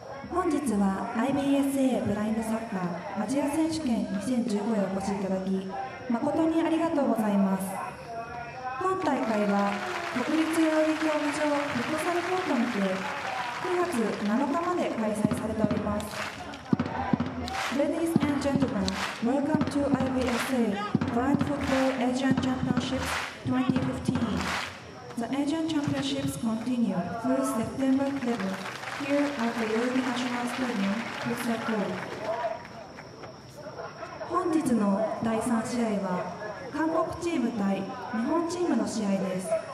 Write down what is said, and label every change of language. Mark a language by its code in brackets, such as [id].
[ja] 本日は IBSA ブラインドサッカーアジア選手権2015へお越しいただき誠にありがとうございます。本大会は国立代々木競技場フットサルコートにて9月7日まで開催されております。 [en] Ladies and gentlemen, welcome to IBSA Blind Football Asian Championships 2015. The Asian Championships continue through September 11 here at the Yogi National Stadium, Futsal Court. [ja] 本日の第3試合は韓国チーム対日本チームの試合です。